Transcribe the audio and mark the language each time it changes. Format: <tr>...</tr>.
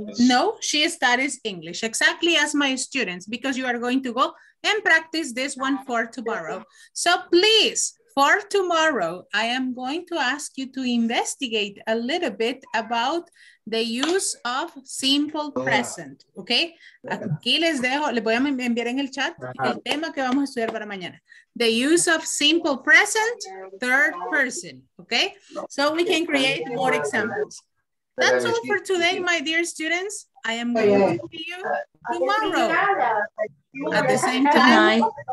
<en>No, she studies English, exactly as my students, because you are going to go and practice this one for tomorrow. So please, for tomorrow, I am going to ask you to investigate a little bit about the use of simple present, okay?</en> <es>Aquí les dejo, les voy a enviar en el chat el tema que vamos a estudiar para mañana.</es> <en>The use of simple present, third person, okay? So we can create more examples. That's all for today, my dear students. I am going to see you tomorrow at the same time</en>